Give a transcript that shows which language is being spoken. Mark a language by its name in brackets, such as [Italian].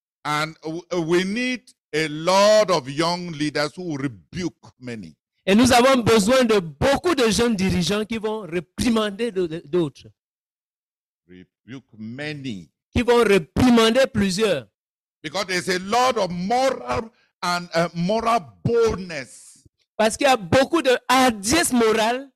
[English] And we need a lot of young leaders who rebuke many. [French] Et nous avons besoin de beaucoup de jeunes dirigeants qui vont réprimander d'autres. [English] Rebuke many. [French] Qui vont réprimander plusieurs. [English] Because there's a lot of moral and moral boldness. [French] Parce qu'il y a beaucoup de hardiesse morale.